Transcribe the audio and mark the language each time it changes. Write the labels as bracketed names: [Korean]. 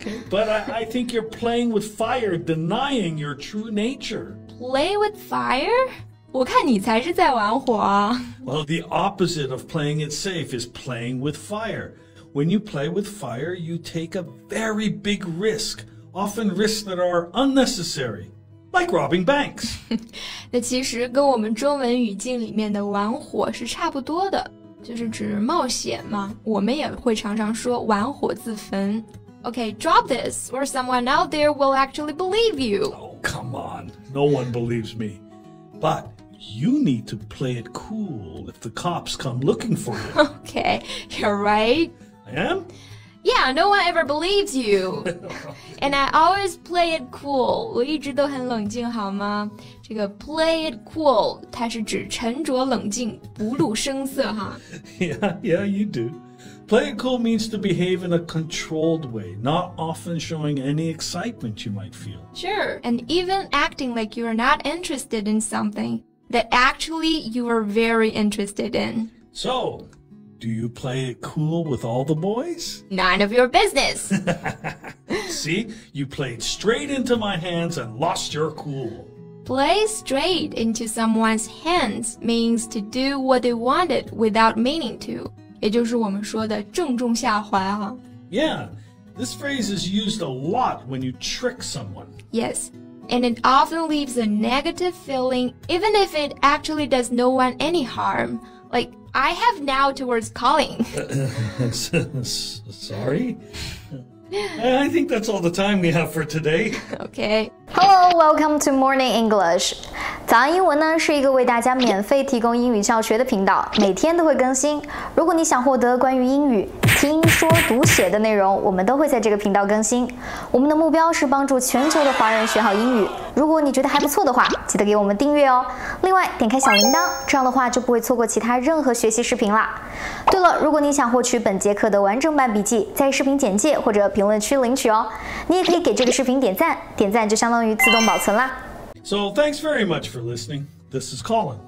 [English] But I think you're playing with fire, denying your true nature. Play with fire? [Chinese] 我看你才是在玩火。 [English] Well, the opposite of playing it safe is playing with fire. When you play with fire, you take a very big risk, often risks that are unnecessary. Like robbing banks. [Chinese] 那其实跟我们中文语境里面的玩火是差不多的，就是指冒险嘛。我们也会常常说玩火自焚。 [English] Okay, drop this, or someone out there will actually believe you. Oh, come on. No one believes me. But you need to play it cool if the cops come looking for you. Okay, you're right. I am? Yeah, no one ever believes you. And I always play it cool. [Chinese] 我一直都很冷静好吗？这个 [English] play it cool, [Chinese] 它是指沉着冷静，不露声色哈。 [English] Yeah, you do. Play it cool means to behave in a controlled way, not often showing any excitement you might feel. Sure, and even acting like you are not interested in something that actually you are very interested in. So... Do you play it cool with all the boys? None of your business. See, you played straight into my hands and lost your cool. Play straight into someone's hands means to do what they wanted without meaning to. [Chinese] 也就是我们说的正中下怀啊。 [English] Yeah, this phrase is used a lot when you trick someone. Yes, and it often leaves a negative feeling even if it actually does no one any harm. Like,I have now towards calling. Sorry. I think that's all the time we have for today. Okay. Hello, welcome to Morning English. [Chinese] 早安英文呢是一个为大家免费提供英语教学的频道，每天都会更新。如果你想获得关于英语听说读写的内容，我们都会在这个频道更新。我们的目标是帮助全球的华人学好英语。如果你觉得还不错的话，记得给我们订阅哦。另外，点开小铃铛，这样的话就不会错过其他任何学习视频啦。对了，如果你想获取本节课的完整版笔记，在视频简介或者评论区领取哦。你也可以给这个视频点赞，点赞就相当于自动保存啦。 [English] So thanks very much for listening. This is Colin.